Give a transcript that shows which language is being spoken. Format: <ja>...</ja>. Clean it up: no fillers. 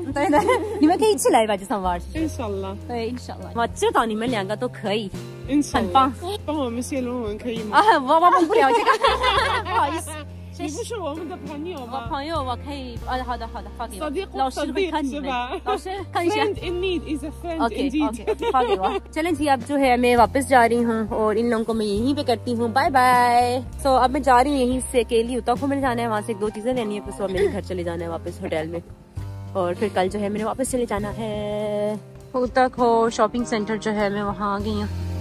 <zh>对，你们可以一起来巴基斯坦玩。</zh> <ar>Inshallah。</ar> <zh>对 ，Inshallah。我知道你们两个都可以。</zh> <ar>Inshallah。</ar> <zh>很棒。帮我们写论文可以吗？啊，我们不了解。不好意思。你不是我们的朋友吗？我朋友，我可以，好的，发给我。老师会看你们，老师看一下。</zh> <en>Friend in need is a friend indeed。</en> <zh>发给我。</zh> <hi>चलें जी अब जो है मैं वापस जा रही हूँ और इन लोगों को मैं यहीं पे करती हूँ बाय बाय। सो अब मैं जा रही हूँ यहीं से अकेली उत्तराखंड में जाना है, वहाँ से दो चीजें लेनी है, सुबह मेरे घर चले जाना है वापस होटल में और फिर कल जो है मैंने वापस चले जाना है उत्तराखंड शॉपिंग सेंटर जो है मैं वहाँ आ गई हूँ।</hi>